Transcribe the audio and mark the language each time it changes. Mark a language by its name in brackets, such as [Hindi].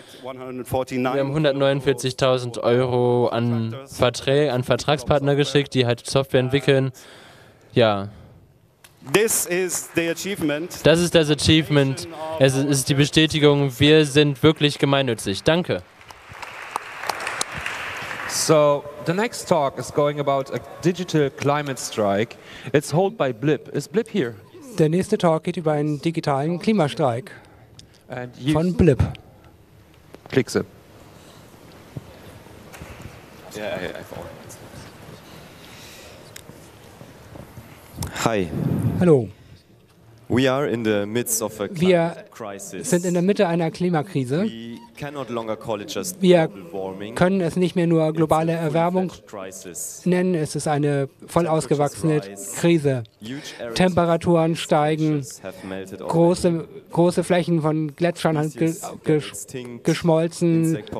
[German] Wir haben 149.000 Euro an Vertragspartner geschickt, die halt Software entwickeln. Das ist das Achievement. Es ist die Bestätigung, wir sind wirklich gemeinnützig. Danke. [English] So, the next talk is going about a digital climate strike. It's held by Blip. Is Blip here? [German] Der nächste Talk geht über einen digitalen Klimastreik von Blip. Klickse. [English] Yeah, yeah, I Hi. [German] Hallo. [English] We are in the midst of a climate crisis. [German] Wir sind in der Mitte einer Klimakrise. [English] We cannot longer call it just global warming. [German] Wir können es nicht mehr nur globale Erwärmung nennen. Es ist eine voll ausgewachsene Krise. Temperaturen steigen. Große Flächen von Gletschern haben geschmolzen.